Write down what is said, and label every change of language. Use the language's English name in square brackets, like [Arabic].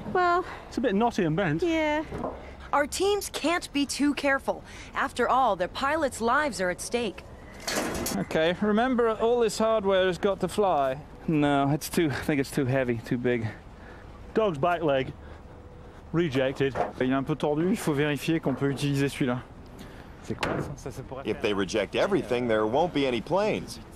[English] Well, it's a bit knotty and bent. Yeah. Our teams can't be too careful. After all, their pilots' lives are at stake. Okay, remember, all this hardware has got to fly. No, I think it's too heavy, too big. Dog's back leg. Rejected. [French] Il est un peu tordu, il faut vérifier qu'on peut utiliser celui-là. [English] If they reject everything, there won't be any planes.